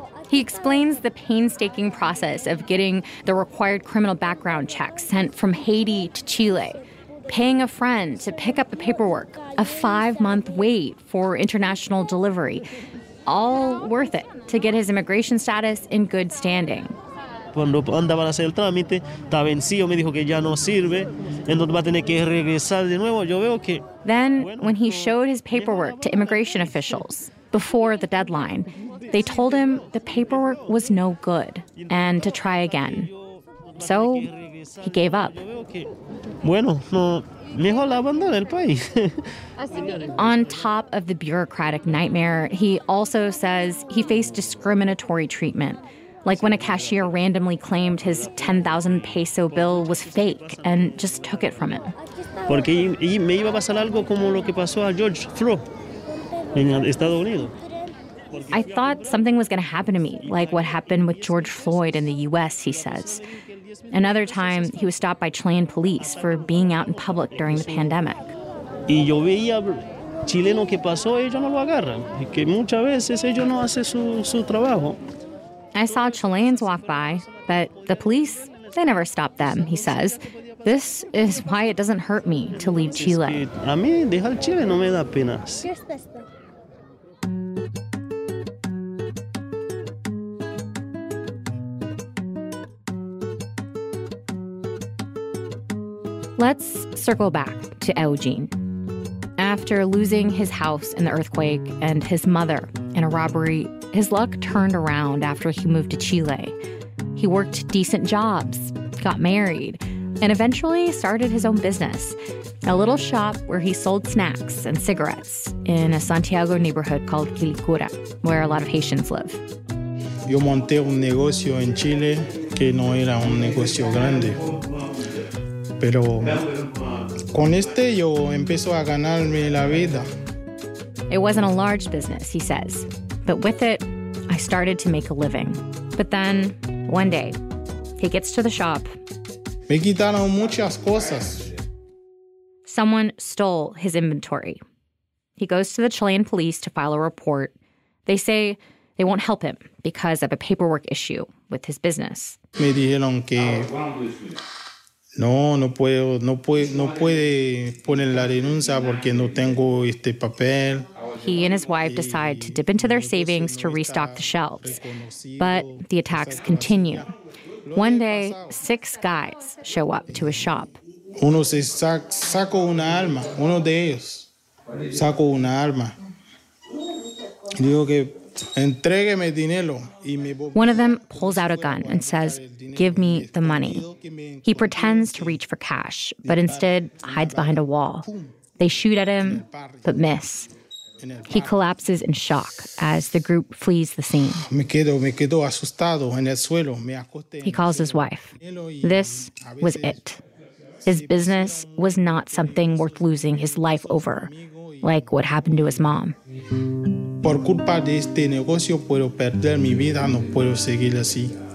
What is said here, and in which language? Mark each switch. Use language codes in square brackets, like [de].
[en] He explains the painstaking process of getting the required criminal background check sent from Haiti to Chile, paying a friend to pick up the paperwork, a five-month wait for international delivery, all worth it to get his immigration status in good standing. [es] Cuando andaba a hacer el trámite, estaba vencido, me dijo que ya no sirve, entonces va a tener que regresar de nuevo. Yo veo que... [en] Then, when he showed his paperwork to immigration officials before the deadline, they told him the paperwork was no good and to try again. So he gave up. [es] Bueno, no, mejor abandonar el país. [en] On top of the bureaucratic nightmare, he also says he faced discriminatory treatment, like when a cashier randomly claimed his 10,000 peso bill was fake and just took it from him. [es] Porque me iba a pasar algo como lo que pasó a George Floyd en Estados Unidos. [en] I thought something was going to happen to me, like what happened with George Floyd in the U.S., he says. Another time, he was stopped by Chilean police for being out in public during the pandemic. [es] Y yo veía chileno que pasó, ellos no lo agarran, que muchas veces ellos no hacen su trabajo. [en] I saw Chileans walk by, but the police, they never stopped them, he says. This is why it doesn't hurt me to leave Chile. [es] A mí dejar Chile no me da pena. [en] Let's circle back to Eugene. After losing his house in the earthquake and his mother in a robbery, his luck turned around after he moved to Chile. He worked decent jobs, got married, and eventually started his own business, a little shop where he sold snacks and cigarettes in a Santiago neighborhood called Quilicura, where a lot of Haitians live. [es] Yo monté un negocio en Chile que no era un negocio grande. Pero con este yo empiezo a ganarme la vida. [en] It wasn't a large business, he says. But with it, I started to make a living. But then, one day, he gets to the shop. [es] Me quitaron muchas cosas. [en] Someone stole his inventory. He goes to the Chilean police to file a report. They say they won't help him because of a paperwork issue with his business. [es] Me dijeron que... No puede poner la denuncia porque no tengo este papel. [en] He and his wife decide to dip into their savings to restock the shelves. But the attacks continue. One day, six guys show up to his shop. [es] Uno se sacó una arma, uno de ellos sacó una arma. Digo que entrégueme dinero. [en] One of them pulls out a gun and says, give me the money. He pretends to reach for cash, but instead hides behind a wall. They shoot at him, but miss. He collapses in shock as the group flees the scene. [es] Me quedo asustado en el suelo. [en] He calls his wife. This was it. His business was not something worth losing his life over, like what happened to his mom. [es] Por culpa de este negocio puedo perder mi vida, no puedo seguir así.